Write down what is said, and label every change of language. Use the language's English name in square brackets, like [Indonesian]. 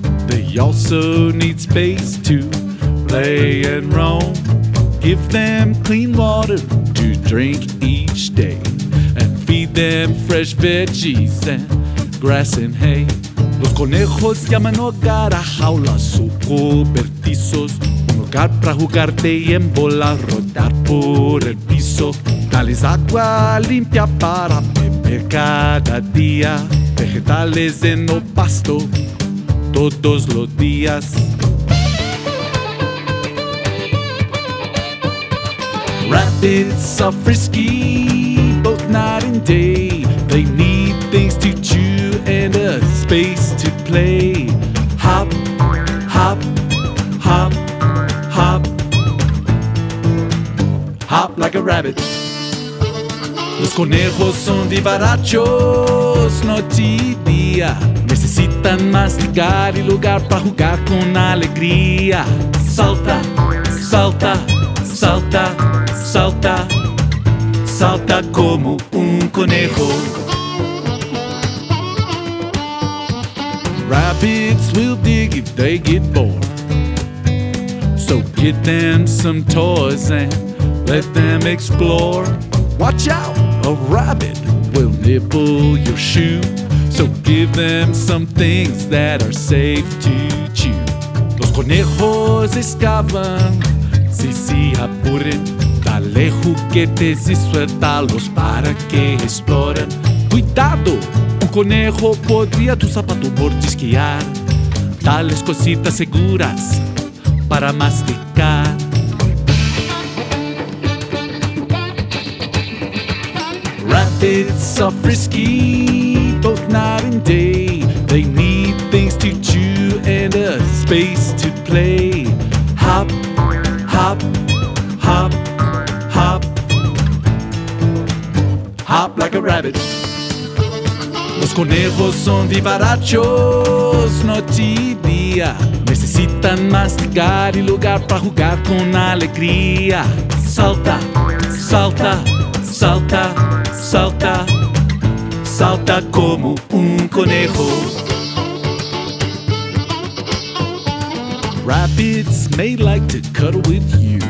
[English] They also need space to play and roam. Give them clean water to drink each day, and feed them fresh veggies and grass and hay. [Spanish] Los conejos llaman hogar a jaulas o cobertizos, un lugar para jugarte y en bola rodar por el piso. Dales agua limpia para beber cada día, vegetales en el pasto todos los días. [English] Rabbits are frisky, both night and day. They need things to chew and a space to play. Hop, hop, hop, hop. Hop like a rabbit. [Spanish] Los conejos son vivarachos, noche y día. Necesitan masticar y lugar para jugar con alegría. Salta, salta, salta, salta, salta como un conejo. [English] Rabbits will dig if they get bored, so get them some toys and let them explore. Watch out, a rabbit will nibble your shoe, so give them some things that are safe to chew. [Spanish] Los conejos excavan, si se apuren. Dale juguetes y suéltalos para que exploren. Cuidado, un conejo podría tu zapato mordisquear. Dales cositas seguras para masticar. [English] Rabbits are frisky, both night and day. They need things to chew and a space to play. Hop, hop, hop, hop. Hop like a rabbit. [Spanish] Los conejos son vivarachos, noche y día. Necesitan masticar y lugar para jugar con alegría. Salta, salta, salta, salta, salta como un conejo. [English] Rabbits may like to cuddle with you,